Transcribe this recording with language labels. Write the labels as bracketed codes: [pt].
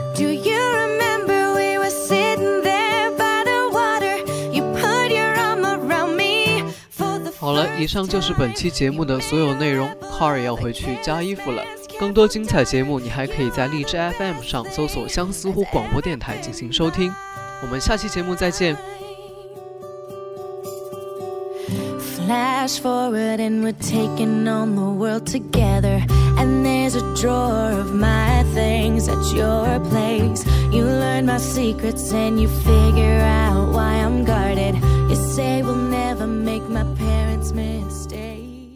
[en] Do you remember we were sitting there by the water? You put your arm around me for the first. [zh] 好了，以上就是本期节目的所有内容。Car 要回去加衣服了。更多精彩节目，你还可以在荔枝 FM 上搜索“相思湖广播电台”进行收听。我们下期节目再见。 [en] Flash forward and we're taking on the world together. And there's a drawer of my things at your place. You learn my secrets and you figure out why I'm guarded. You say we'll never make my parents' mistakes.